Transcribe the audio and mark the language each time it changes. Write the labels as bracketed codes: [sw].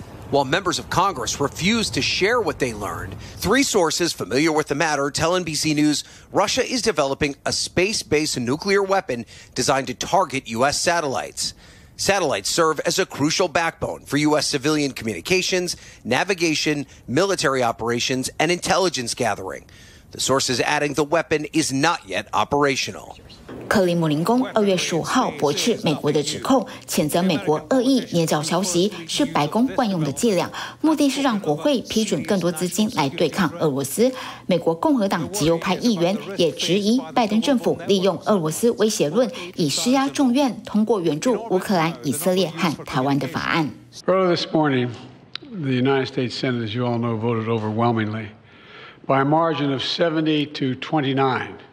[en] While members of Congress refused to share what they learned, three sources familiar with the matter tell NBC News Russia is developing a space-based nuclear weapon designed to target U.S. satellites. Satellites serve as a crucial backbone for U.S. civilian communications, navigation, military operations, and intelligence gathering. The sources adding the weapon is not yet operational. [zh] 克里姆林宫2月15号驳斥美国的指控，谴责美国恶意捏造消息是白宫惯用的伎俩，目的是让国会批准更多资金来对抗俄罗斯。美国共和党极右派议员也质疑拜登政府利用俄罗斯威胁论，以施压众院通过援助乌克兰、以色列和台湾的法案。 [en] Earlier this morning, the United States Senate, as you all know, voted overwhelmingly by a margin of 70-29.